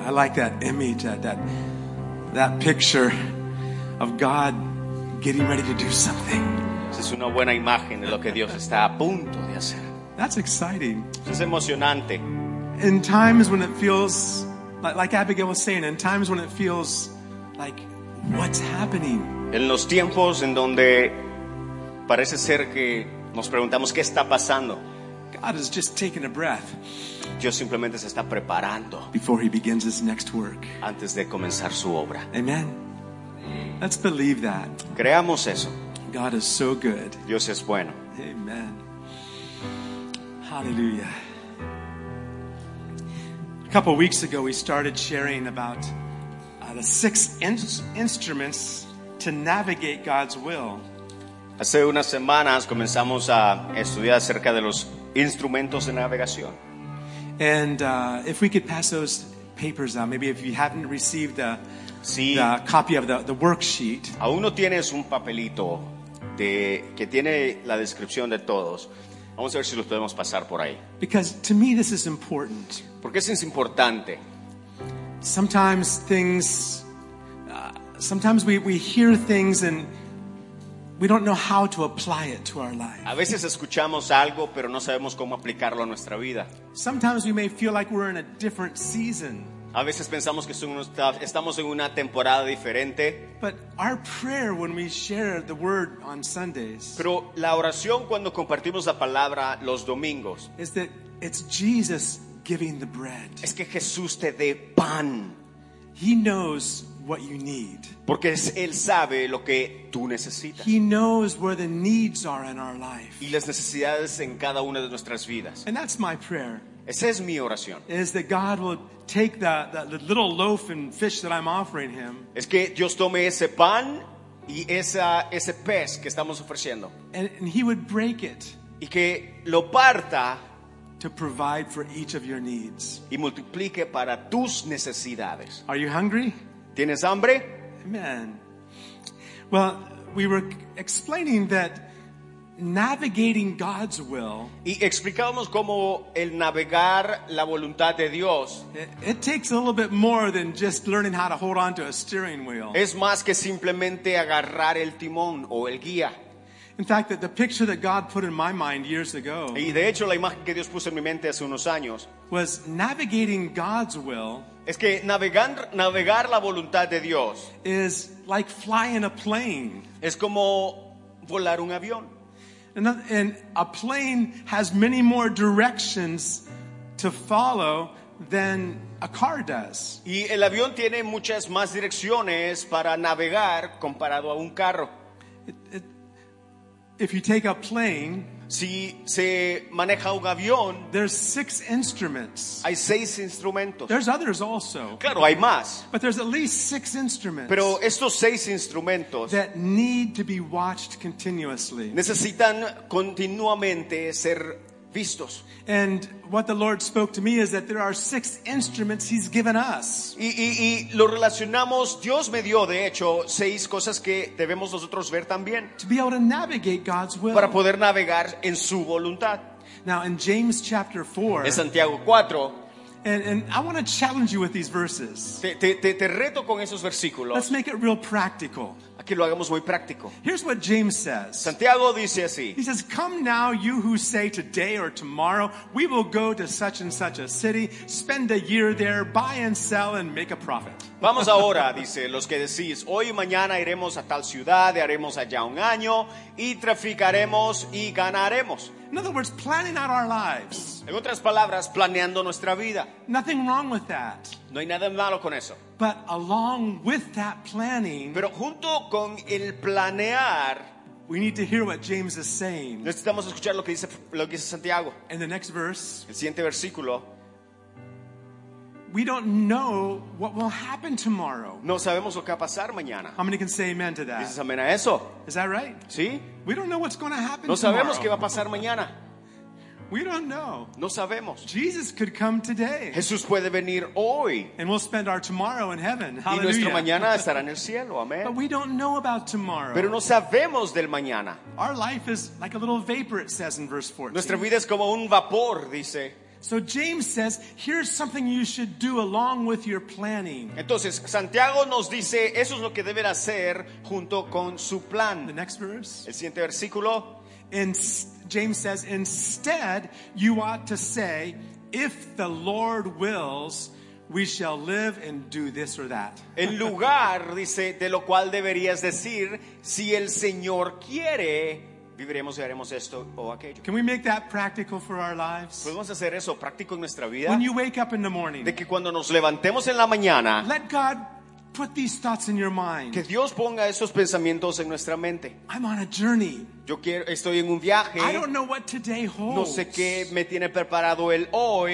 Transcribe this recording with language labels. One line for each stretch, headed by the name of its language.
English: I like that image, that picture of God getting ready to do something.
Spanish: Es una buena imagen de lo que Dios está a punto de hacer.
English: That's exciting.
Spanish: Es emocionante.
English: In times when it feels like Abigail was saying, in times when it feels like what's happening.
Spanish: En los tiempos en donde parece ser que nos preguntamos qué está pasando.
English: God is just taking a breath.
Spanish: Dios simplemente se está preparando.
English: Before he begins his next work.
Spanish: Antes de comenzar su obra.
English: Amen. Let's believe that.
Spanish: Creamos eso.
English: God is so good.
Spanish: Dios es bueno.
English: Amen. Hallelujah. A couple of weeks ago, we started sharing about the six instruments to navigate God's will.
Spanish: Hace unas semanas comenzamos a estudiar acerca de los instrumentos de navegación.
English: And if we could pass those papers out, maybe if you haven't received the copy of the worksheet.
Spanish: Aún no tienes un papelito que tiene la descripción de todos. Vamos a ver si los podemos pasar por ahí.
English: Because to me this is important.
Spanish: Porque eso es importante.
English: Sometimes things, sometimes we hear things and we don't know how to apply it to our life.
Spanish: A veces escuchamos algo, pero no sabemos cómo aplicarlo a nuestra vida.
English: Sometimes we may feel like we're in a different season.
Spanish: A veces pensamos que estamos en una temporada diferente.
English: But our prayer when we share the word on Sundays.
Spanish: Pero la oración cuando compartimos la palabra los domingos.
English: Is that it's Jesus giving the bread.
Spanish: Es que Jesús te dé pan.
English: He knows what you need.
Spanish: Porque él sabe lo que tú necesitas.
English: He knows where the needs are in our life.
Spanish: Y las necesidades en cada una de nuestras vidas.
English: And that's my prayer.
Spanish: Esa es mi oración.
English: Is that God will take the little loaf and fish that I'm offering him.
Spanish: Es que Dios tome ese pan y ese pez que estamos ofreciendo.
English: And he would break it.
Spanish: Y que lo parta.
English: To provide for each of your needs.
Spanish: Y multiplique para tus necesidades.
English: Are you hungry?
Spanish: ¿Tienes hambre?
English: Amen. Well, we were explaining that navigating God's will.
Spanish: Y explicábamos cómo el navegar la voluntad de Dios.
English: It takes a little bit more than just learning how to hold on to a steering wheel.
Spanish: Es más que simplemente agarrar el timón o el guía.
English: In fact, the picture that God put in my mind years ago.
Spanish: Y de hecho la imagen que Dios puso en mi mente hace unos años.
English: Was navigating God's will.
Spanish: Es que navegar la voluntad de Dios
English: is like flying a plane.
Spanish: Es como volar un avión.
English: And a plane has many more directions to follow than a car does.
Spanish: Y el avión tiene muchas más direcciones para navegar comparado a un carro.
English: If you take a plane,
Spanish: si se maneja un avión,
English: there's six instruments.
Spanish: Hay seis instrumentos.
English: There's others also.
Spanish: Claro, hay más.
English: But there's at least six instruments.
Spanish: Pero estos seis instrumentos
English: that need to be watched continuously.
Spanish: Necesitan continuamente ser vistos.
English: And what the Lord spoke to me is that there are six instruments he's given us.
Spanish: Y lo relacionamos, Dios me dio de hecho seis cosas que debemos nosotros ver también.
English: To be able to navigate God's will.
Spanish: Para poder navegar en su voluntad.
English: Now in James chapter 4.
Spanish: En Santiago 4.
English: And I want to challenge you with these verses.
Spanish: Te reto con esos versículos.
English: Let's make it real practical.
Spanish: Aquí lo hagamos muy práctico.
English: Here's what James says.
Spanish: Santiago dice así.
English: He says, come now you who say today or tomorrow, we will go to such and such a city, spend a year there, buy and sell and make a profit.
Spanish: Vamos ahora, dice, los que decís, hoy y mañana iremos a tal ciudad, y haremos allá un año, y traficaremos y ganaremos.
English: In other words, planning out our lives.
Spanish: En otras palabras, planeando nuestra vida.
English: Nothing wrong with that.
Spanish: No hay nada malo con eso.
English: But along with that planning,
Spanish: pero junto con el planear,
English: we need to hear what James is saying.
Spanish: Necesitamos escuchar lo que dice Santiago.
English: In the next verse,
Spanish: el siguiente versículo,
English: we don't know what will happen tomorrow.
Spanish: No sabemos lo que va a pasar mañana.
English: How many can say amen to that?
Spanish: ¿Dices amén a eso?
English: Is that right?
Spanish: Sí.
English: We don't know what's going to happen.
Spanish: No sabemos
English: tomorrow.
Spanish: Qué va a pasar mañana.
English: We don't know.
Spanish: No sabemos.
English: Jesus could come today.
Spanish: Jesús puede venir hoy.
English: And we'll spend our tomorrow in heaven. Hallelujah.
Spanish: Y nuestro mañana estará en el cielo. Amén.
English: But we don't know about tomorrow.
Spanish: Pero no sabemos del mañana.
English: Our life is like a little vapor, it says in verse 14.
Spanish: Nuestra vida es como un vapor, dice.
English: So James says, here's something you should do along with your planning.
Spanish: Entonces Santiago nos dice, eso es lo que deben hacer junto con su plan.
English: The next verse.
Spanish: El siguiente versículo.
English: James says, instead you ought to say, if the Lord wills, we shall live and do this or that.
Spanish: En lugar, dice, de lo cual deberías decir, si el Señor quiere, viviremos y haremos esto o aquello.
English: Can we make that practical for our lives?
Spanish: ¿Podemos hacer eso práctico en nuestra vida?
English: When you wake up in the morning,
Spanish: de que cuando nos levantemos en la mañana,
English: let God put these thoughts in your mind.
Spanish: Que Dios ponga esos pensamientos en nuestra mente.
English: I'm on a journey.
Spanish: Yo quiero, estoy en un viaje.
English: I don't know what today holds.
Spanish: No sé qué me tiene preparado el hoy.